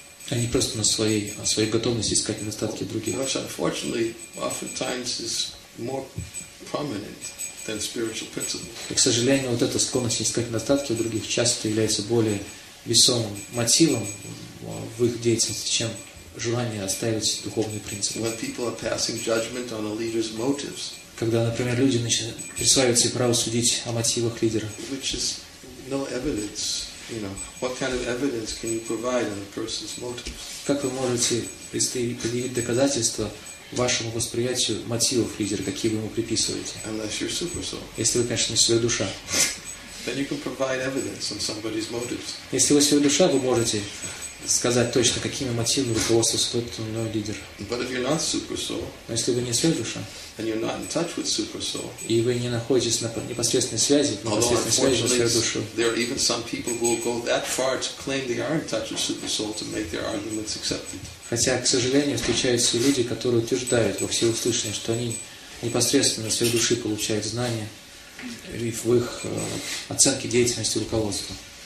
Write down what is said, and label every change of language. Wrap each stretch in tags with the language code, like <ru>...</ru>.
<ru>Они просто на своей готовности искать недостатки других.</ru> <en>Which unfortunately oftentimes is more prominent than spiritual principles.</en> <ru>И, к сожалению, вот эта склонность искать недостатки у других часто является более весомым мотивом в их деятельности, чем желание оставить духовные принципы.</ru> <en>When people are passing judgment on a leader's motives.</en> <ru>Когда, например, люди начинают присваивать себе право судить о мотивах лидера.</ru> <en>Which is no evidence, you know. What kind of evidence can you provide on a person's motives?</en> <ru>Как вы можете предъявить доказательства вашему восприятию мотивов лидера, какие вы ему приписываете?</ru> <en>Unless you're super soul.</en> <ru>Если вы, конечно, не сверхдуша.</ru> <en>Then you can provide evidence on somebody's motives.</en> <ru>Если вы сверхдуша, вы можете сказать точно, какими мотивами руководствовался тот или иной лидер.</ru> <en>But if you're not super soul,</en> <ru>но если вы не сверхдуша,</ru> <en>and you're not in touch with super soul.</en> <ru>И вы не находитесь на непосредственной связи,</ru> <en>There are even some people who will go that far to claim they are in touch with super soul to make their arguments accepted.</en> <ru>Хотя, к сожалению, встречаются люди, которые утверждают во всеуслышание, что они непосредственно с сверхдуши получают знания в их оценке деятельности руководства.</ru>